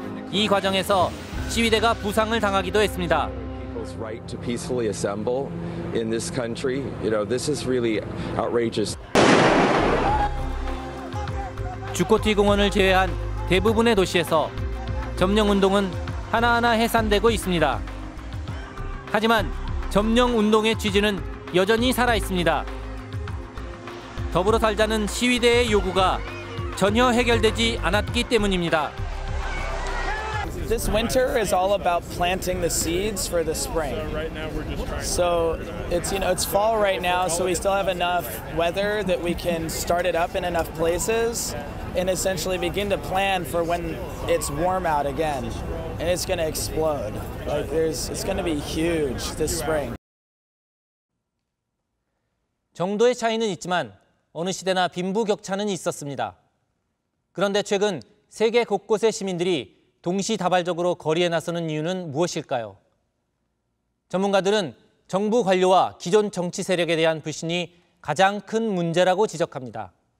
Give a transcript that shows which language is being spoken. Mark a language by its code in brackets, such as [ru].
[ko] 이 과정에서 시위대가 부상을 당하기도 했습니다. [en] People's right to peacefully assemble in this country, you know, this is really outrageous. [ko] 주코티 공원을 제외한 대부분의 도시에서 점령 운동은 하나하나 해산되고 있습니다. 하지만 점령 운동의 취지는 여전히 살아 있습니다. 더불어 살자는 시위대의 요구가 전혀 해결되지 않았기 때문입니다. [en] This winter is all about planting the seeds for the spring. So it's, you know, it's fall right now, so we still have enough weather that we can start it up in enough places and essentially begin to plan for when it's warm out again. and it's going to explode. Like it's going to be huge this spring. [ko] 정도의 차이는 있지만 어느 시대나 빈부격차는 있었습니다. 그런데 최근 세계 곳곳의 시민들이 동시다발적으로 거리에 나서는 이유는 무엇일까요? 전문가들은 정부 관료와 기존 정치 세력에 대한 불신이 가장 큰 문제라고 지적합니다.